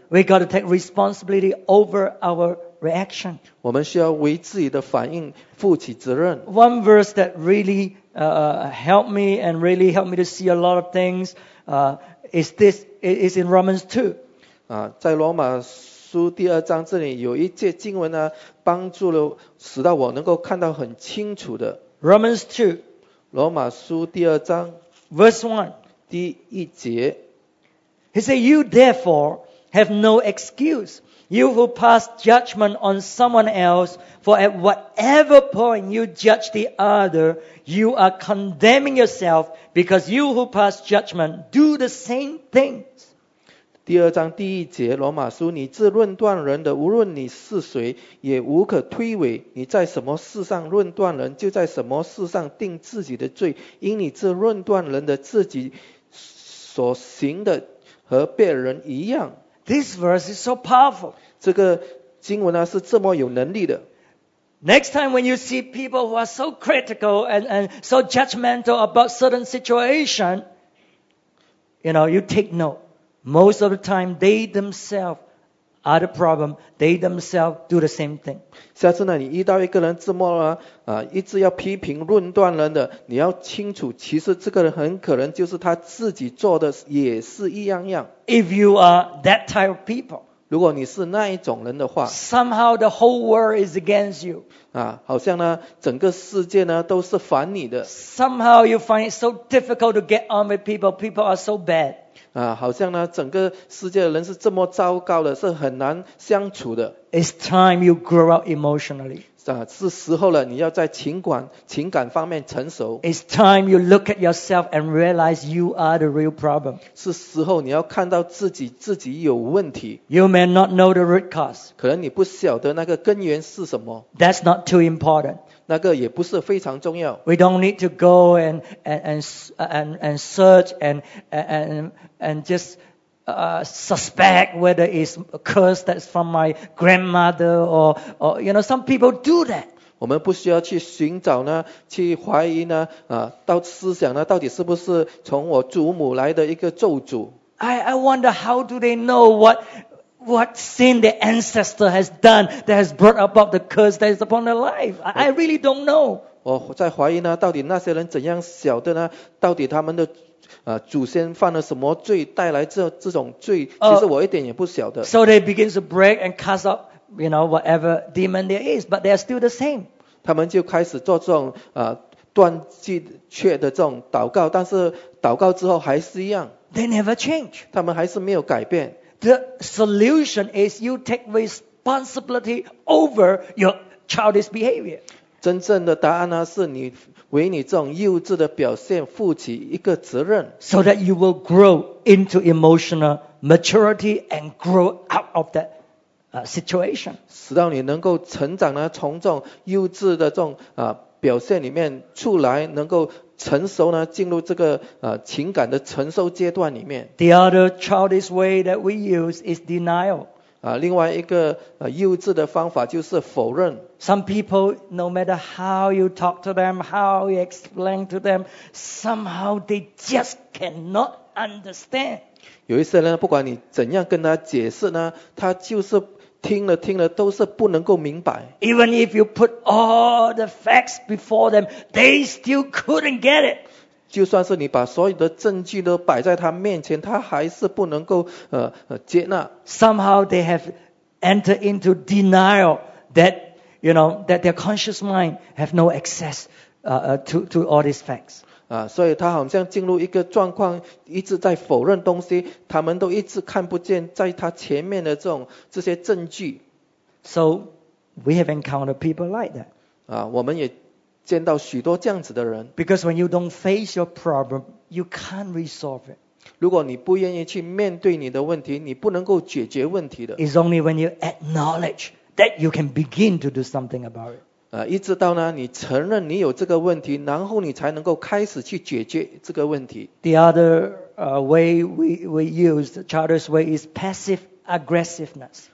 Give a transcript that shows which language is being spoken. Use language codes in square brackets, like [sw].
[en] We got to take responsibility over our reaction. [zh] 我们需要为自己的反应负起责任。 [en] One verse that really helped me and really helped me to see a lot of things is in Romans 2. [zh] 啊，在罗马书第二章这里有一节经文呢，帮助了使到我能够看到很清楚的。 [en] Romans 2. [zh] 罗马书第二章。 [en] Verse 1. [zh] 第一节 [en] He said, you therefore have no excuse. You who pass judgment on someone else, for at whatever point you judge the other, you are condemning yourself because you who pass judgment do the same things. [zh] 第二章第一节罗马书你自论断人的无论你是谁也无可推诿你在什么事上论断人就在什么事上定自己的罪因你自论断人的自己所行的和别人一样。 [en] This verse is so powerful. [zh] 这个经文呢是这么有能力的。 [en] Next time when you see people who are so critical and so judgmental about certain situation, you know, you take note. Most of the time, they themselves are the problem. They themselves do the same thing. [zh] 下次呢，你遇到一个人这么一直要批评论断人的，你要清楚，其实这个人很可能就是他自己做的也是一样样。 [en] If you are that type of people, [zh] 如果你是那一种人的话 [en] ，somehow the whole world is against you. [zh] 啊，好像呢，整个世界呢都是反你的。 [en] Somehow you find it so difficult to get on with people. People are so bad. [zh] 啊，好像呢，整个世界的人是这么糟糕的，是很难相处的。 [en] It's time you grow up emotionally. [zh] 啊，是时候了，你要在情感方面成熟。 [en] It's time you look at yourself and realize you are the real problem. [zh] 是时候你要看到自己有问题。 [en] You may not know the root cause. [zh] 可能你不晓得那个根源是什么。 [en] That's not too important. [zh] 那个也不是非常重要。 [en] We don't need to go and search and just suspect whether it's a curse that's from my grandmother or you know some people do that. [zh] 我们不需要去寻找呢，去怀疑呢，到思想呢，到底是不是从我祖母来的一个咒诅。 [en] I wonder how do they know what sin the ancestor has done that has brought about the curse that is upon their life. I really don't know. [zh] 我在怀疑呢，到底那些人怎样晓得呢？到底他们的祖先犯了什么罪，带来这种罪？其实我一点也不晓得。 [en] So they begin to break and cast out, you know, whatever demon there is, but they are still the same. [zh] 他们就开始做这种断际却的这种祷告，但是祷告之后还是一样。 [en] They never change. [zh] 他们还是没有改变。 [en] The solution is you take responsibility over your childish behavior. [zh] 真正的答案呢，是你为你这种幼稚的表现负起一个责任。 [en] So that you will grow into emotional maturity and grow out of that situation. [zh] 使到你能够成长呢，从这种幼稚的这种表现里面出来，能够成熟呢，进入这个情感的成熟阶段里面。 [en] The other childish way that we use is denial. [zh] 另外一个幼稚的方法就是否认。 [en] Some people, no matter how you talk to them, how you explain to them, somehow they just cannot understand. [zh] 有一些人不管你怎样跟他解释呢，他就是听了听了都是不能够明白。 [en] Even if you put all the facts before them, they still couldn't get it. [zh] 就算是你把所有的证据都摆在他面前，他还是不能够接纳。 [en] Somehow they have entered into denial that you know that their conscious mind have no access to all these facts. [zh] 所以他好像进入一个状况，一直在否认东西，他们都一直看不见在他前面的这些证据。 [en] So we have encountered people like that. [zh] 我们也见到许多这样子的人。 [en] Because when you don't face your problem, you can't resolve it. [zh] 如果你不愿意去面对你的问题，你不能够解决问题的。 [en] It's only when you acknowledge that you can begin to do something about it. [zh] 一直到呢，你承认你有这个问题，然后你才能够开始去解决这个问题。 [en] The other way we use, the Charter's way is passive aggressiveness.